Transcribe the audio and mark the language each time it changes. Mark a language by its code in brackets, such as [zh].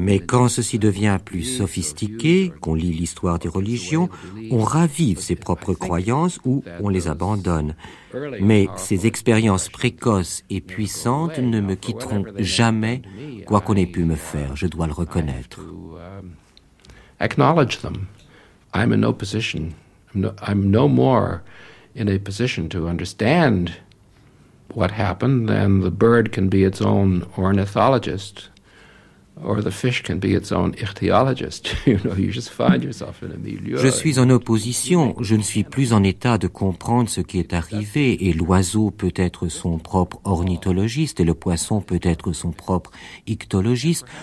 [fr] Mais quand ceci devient plus sophistiqué, qu'on lit l'histoire des religions, on ravive ses propres croyances ou on les abandonne. Mais ces expériences précoces et puissantes ne me quitteront jamais, quoi qu'on ait pu me faire, je dois le reconnaître. [en] Acknowledge them. I'm in no position. I'm no more in a position to understand what happened than the bird can be its own ornithologist. Or the fish can be its own ichthyologist. You know, you just find yourself in a milieu. [fr] Je suis en opposition. Je ne suis plus en état de comprendre ce qui est arrivé. Et l'oiseau peut être son propre ornithologiste et le poisson peut être son propre ichthyologiste.